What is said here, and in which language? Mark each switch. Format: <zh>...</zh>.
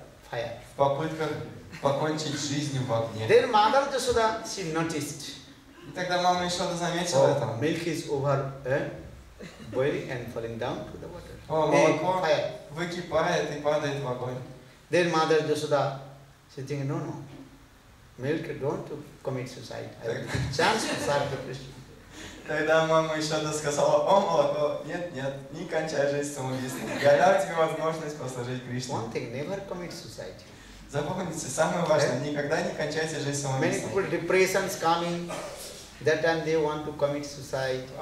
<ru>В попытках покончить жизнь в огне.</ru> <en>Then Mother Yashoda, she noticed.</en> <ru>И тогда мама Яшода заметила это.</ru> <en>Milk is over boiling and falling down to the water.</en> <ru>О, молоко выкипает и падает в огонь.</ru> <en>Then Mother Yashoda, she think, no, no. Milk, don't commit suicide. I have a chance to serve the Krishna.</en> <ru>Тогда мама Яшода сказала, о, молоко, нет, не кончай жизнь самоубийством. Я дам тебе возможность послужить Кришне.</ru> <en>One thing, never commit suicide.</en> <ru>Запомните, самое важное, никогда не кончайте жизнь самоубийством.</ru> <en>Many people, depression is coming. That time they want to commit suicide.</en>